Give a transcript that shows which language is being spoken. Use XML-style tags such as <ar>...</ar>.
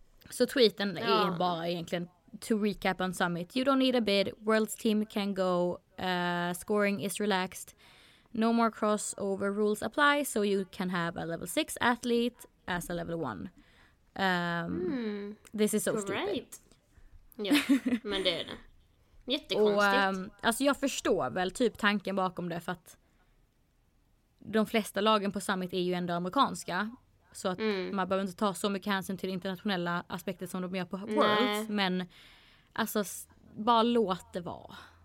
<sv>Så tweeten är bara egentligen:</sv> <en>to recap on summit, you don't need a bid. World's team can go. Scoring is relaxed. No more crossover rules apply. So you can have a level 6 athlete as a level 1. This is so great. Stupid.</en> <sv>Ja, men det är det. Jättekonstigt. Och, alltså jag förstår väl typ tanken bakom det, för att de flesta lagen på summit är ju ändå amerikanska. Så att man behöver inte ta så mycket hänsyn till internationella aspekter som de gör på Worlds. Nej. Men alltså, bara låt det vara.</sv>